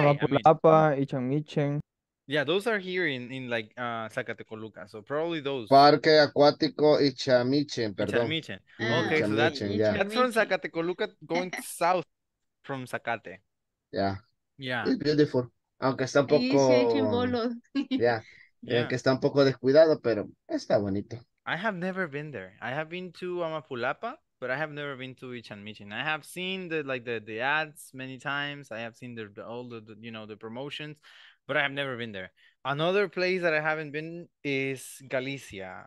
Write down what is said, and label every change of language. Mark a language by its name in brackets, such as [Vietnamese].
[Spanish] Amapulapa, Ichamichen. [English] Yeah, those are here in like Zacatecoluca, so probably those. [Spanish] Parque Acuático Ichamichen, perdón. Ichamichen. [English] Okay, so that's from Zacatecoluca going south from Zacate. Yeah. Yeah. It's beautiful. [Spanish] Aunque está un poco. [English] Yeah. [Spanish] Aunque está un poco descuidado, pero está bonito. [English] I have never been there. I have been to Amapulapa, but I have never been to Ichamichen. I have seen the ads many times. I have seen the promotions, but I have never been there. Another place that I haven't been is Galicia.